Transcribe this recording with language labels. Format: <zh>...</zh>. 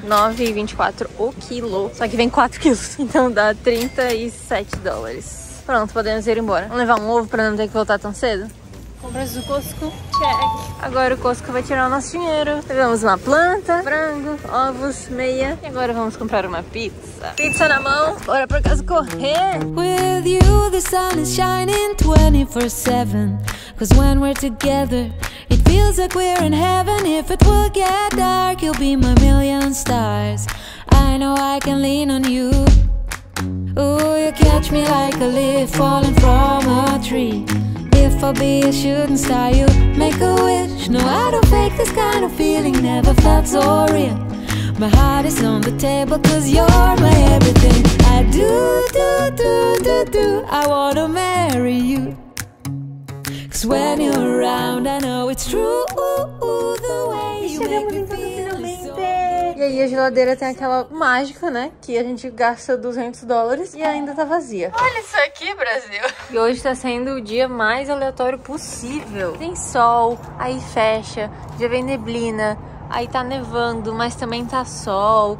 <pt>9,24 o quilo. Só que vem 4 quilos. Então dá 37 dólares. Pronto, podemos ir embora. Vamos levar um ovo pra não ter que voltar tão cedo? Compras do Costco, check. Agora o Costco vai tirar o nosso dinheiro. Pegamos uma planta, frango, ovos, meia. E agora vamos comprar uma pizza. Pizza na mão, bora pra casa correr.</pt> <en>With you the sun is shining 24/7. Cause when we're together, it feels like we're in heaven. If it will get dark, you'll be my million stars. I know I can lean on you. Ooh, you catch me like a leaf falling from a tree. If I be a shooting star, you make a wish. No, I don't fake this kind of feeling, never felt so real. My heart is on the table, cause you're my everything. I do, do, do, do, do, I wanna marry you. Cause when you're around, I know it's true, the way you make me feel.</en> <pt>E aí a geladeira tem aquela mágica, né? Que a gente gasta 200 dólares e ainda tá vazia. Olha isso aqui, Brasil! E hoje tá sendo o dia mais aleatório possível. Tem sol, aí fecha, já vem neblina, aí tá nevando, mas também tá sol.</pt>